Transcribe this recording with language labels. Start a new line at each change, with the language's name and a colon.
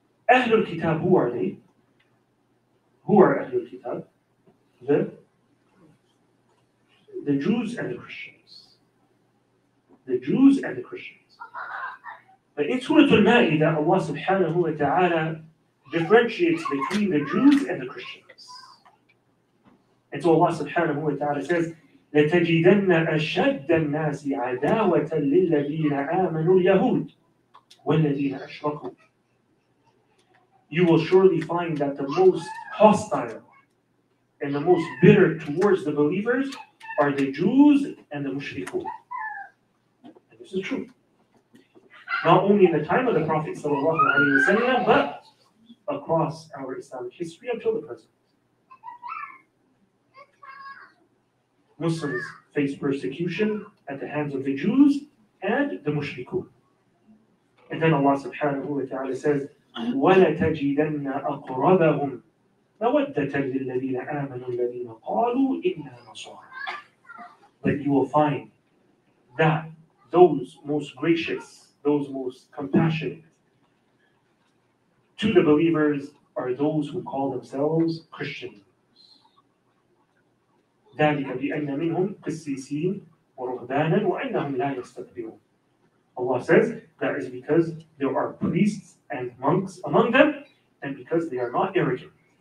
English: Ahlul Kitab, who are they? Who are Ahlul Kitab? The Jews and the Christians. The Jews and the Christians. But in Surah Al-Ma'idah, Allah subhanahu wa ta'ala differentiates between the Jews and the Christians. And so Allah subhanahu wa ta'ala says,
Arabic: لَتَجِدَنَّ أَشَدَّ النَّاسِ عَدَاوَةً لِلَّذِينَ آمَنُوا الْيَهُودِ وَالَّذِينَ أَشْرَكُوا.
English: You will surely find that the most hostile and the most bitter towards the believers are the Jews and the Mushrikun. And this is true. Not only in the time of the Prophet sallallahu alaihi wasallam, but across our Islamic history until the present. Muslims face persecution at the hands of the Jews and the Mushrikun. And then Allah subhanahu wa ta'ala says,
Arabic: وَلَتَجِدَنَّ أَقْرَبَهُمْ مَوَدَّةً لِلَّذِينَ آمَنُوا الَّذِينَ قَالُوا إِنَّا نَصَارَى.
English: But you will find that those most gracious, those most compassionate to the believers are those who call themselves Christians.
Arabic: ذلك بأن منهم قسيسين ورهبانا وأنهم لا يستكبرون.
English: Allah says that is because there are priests and monks among them, and because they are not arrogant.